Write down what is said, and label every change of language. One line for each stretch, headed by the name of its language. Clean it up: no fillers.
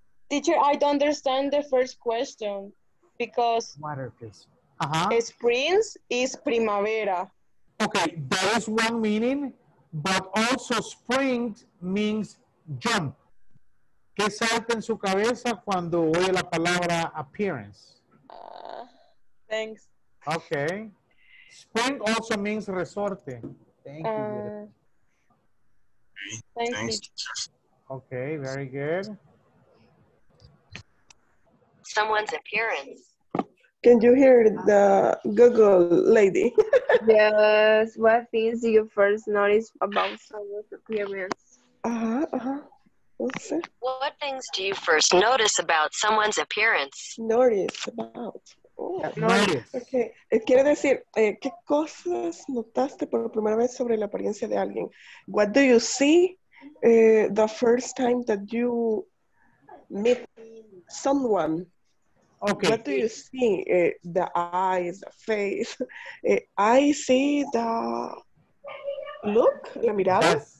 English: Teacher, I don't understand the first question because water, please. Uh-huh. Spring is primavera. Okay, that is one meaning, but also spring means jump.
Spanish: ¿Qué salta en su cabeza cuando oye la palabra appearance?
English: Thanks. Okay. Spring also means resorte. Thank you. Thanks. Okay, very good. Someone's appearance. Can you hear the Google lady? Yes. What things do you first notice about someone's appearance? Okay. What things do you first notice about someone's appearance? Notice about. Notice.
Spanish: Okay. Quiere decir, ¿qué cosas notaste por primera vez sobre la apariencia de alguien?
English: What do you see the first time that you meet someone? Okay. What do you see? The eyes, the face. I see the look,
Spanish: la mirada.